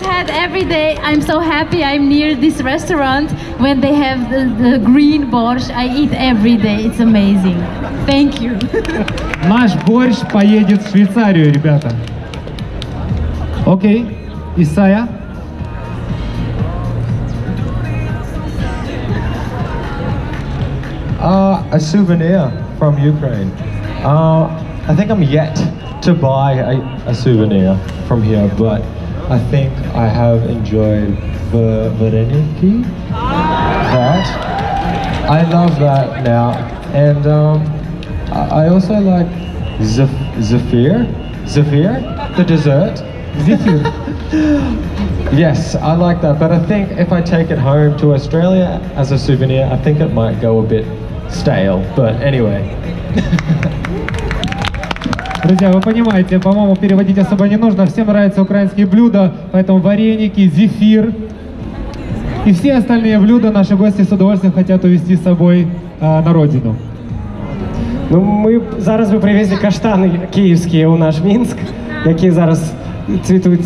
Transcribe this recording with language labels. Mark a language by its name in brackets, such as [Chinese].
[English] Every day I'm so happy I'm near this restaurant when they have the green borscht. I eat every day. It's amazing. Thank you. [Russian] Наш борщ поедет в Швейцарию, ребята. Окей. Исайя. [English] A souvenir from Ukraine. I think I'm yet to buy a souvenir from here, but I think I have enjoyed the vareniki. That I love that now, and I also like zephyr, the dessert. Zephyr. Yes, I like that. But I think if I take it home to Australia as a souvenir, I think it might go a bit stale. But anyway. [Russian] Друзья, вы понимаете, по-моему, переводить особо не нужно. Всем нравятся украинские блюда, поэтому вареники, зефир и все остальные блюда наши гости с удовольствием хотят увезти с собой на родину. Ну, мы зараз мы привезли каштаны киевские у наш Минск, какие зараз цветут.